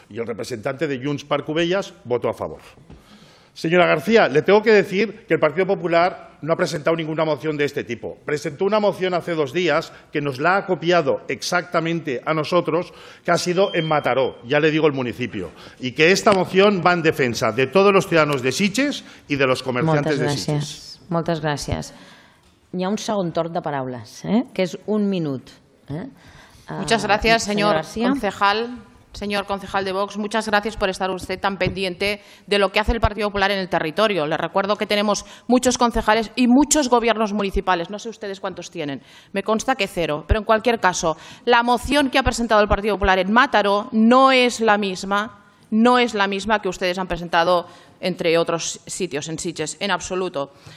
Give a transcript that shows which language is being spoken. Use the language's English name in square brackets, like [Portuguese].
[Spanish] Y el representante de Junts per Cubellas votó a favor. Señora García, le tengo que decir que el Partido Popular no ha presentado ninguna moción de este tipo. Presentó una moción hace dos días que nos la ha copiado exactamente a nosotros, que ha sido en Mataró, ya le digo el municipio, y que esta moción va en defensa de todos los ciudadanos de Sitges y de los comerciantes de Sitges. [Catalan] Moltes gràcies. Hi ha un segon torn de paraules, que és un minut. [Spanish] Muchas gracias, señor concejal. Señor concejal de Vox, muchas gracias por estar usted tan pendiente de lo que hace el Partido Popular en el territorio. Le recuerdo que tenemos muchos concejales y muchos gobiernos municipales. No sé ustedes cuántos tienen. Me consta que cero. Pero, en cualquier caso, la moción que ha presentado el Partido Popular en Mataró no es la misma que ustedes han presentado, entre otros sitios, en Sitges, en absoluto.